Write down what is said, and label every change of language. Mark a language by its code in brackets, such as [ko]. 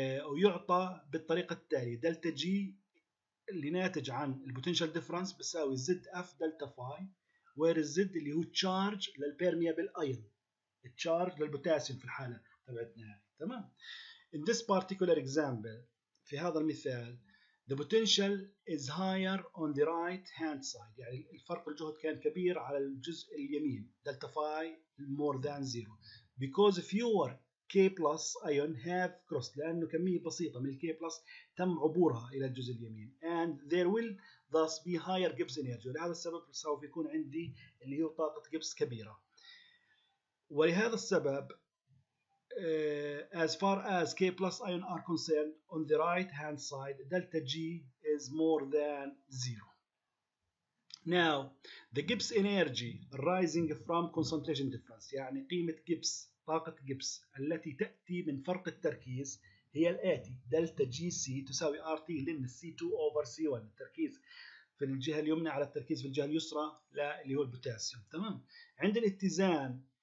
[ar] ويعطى بالطريقه التاليه، دلتا جي اللي ناتج عن البوتنشال ديفرنس بيساوي زد اف دلتا فاي، وير الزد اللي هو تشارج للبيرميابل ايون، التشارج للبوتاسيوم في الحاله تبعتنا، تمام؟ [en] In this particular example, [ar] في هذا المثال, [en] the potential is higher on the right hand side. [ar] يعني الفرق الجهد كان كبير على الجزء اليمين. [en] Delta phi more than zero. Because fewer K plus ion have crossed. [ar] لأنه كمية بسيطة من K plus تم عبورها إلى الجزء اليمين. [en] And there will thus be higher Gibbs energy. [ar] لهذا السبب سوف يكون عندي اللي هو طاقة Gibbs كبيرة. ولهذا السبب [en] as far as K plus ion are concerned on the right hand side delta G is more than zero. Now the Gibbs energy arising from concentration difference [ar] يعني قيمة Gibbs طاقة Gibbs التي تأتي من فرق التركيز هي الآتي delta GC تساوي RT لن C2 over C1 التركيز في الجهة اليمنى على التركيز في الجهة اليسرى لا اللي هو البوتاسيوم، تمام؟ عند الاتزان